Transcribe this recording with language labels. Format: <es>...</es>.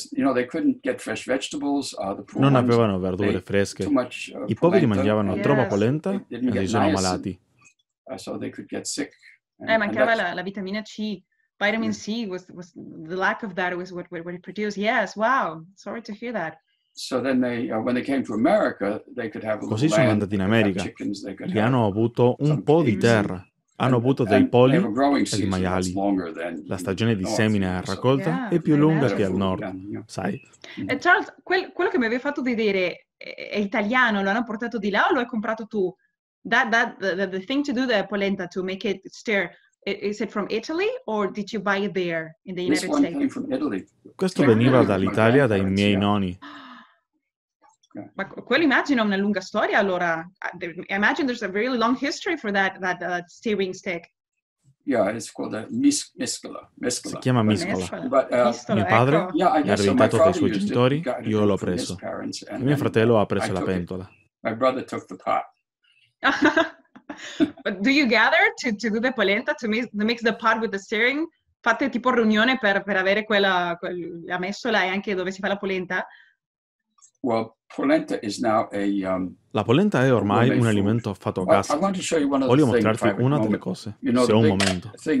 <en>You know, they couldn't get fresh vegetables, the poor</en> <it>non avevano verdure fresche. I poveri mangiavano troppa polenta e si sono malati.</it> <en>So they could get sick.</en> <it>Mancava la vitamina C.</it> <en>Vitamin C was the lack of that was what it produced. Yes, wow. Sorry to hear that. So then they when they came to America, they could have</en> <it>così sono andati in America. E hanno avuto un po' di terra. Hanno avuto dei polli e dei maiali. La stagione di semina e raccolta è più lunga che al nord, sai? Charles, quello che mi avevi fatto vedere è italiano, lo hanno portato di là o lo hai comprato tu?</it> <en>The thing to do the polenta, to make it stir, is it from Italy or did you buy it there in the United States?</en> <it>Questo veniva dall'Italia, dai miei nonni. Ma quello immagino una lunga storia, allora.</it> <en>I imagine there's a really long history for that steering stick. Yeah, it's called a mescola.</en> <it>Si chiama mescola. Mio padre mi ha ereditato dai suoi genitori, io l'ho preso. E mio fratello ha preso la pentola.</it> <en>My brother took the pot. But do you gather to do the polenta, to mix the pot with the steering?</en> <it>Fate tipo riunione per avere la mescola e anche dove si fa la polenta?</it> <en>Well, polenta is now</en> <it>la polenta è ormai un alimento fatto a casa. Voglio mostrarti una delle cose, se ho un momento.</it>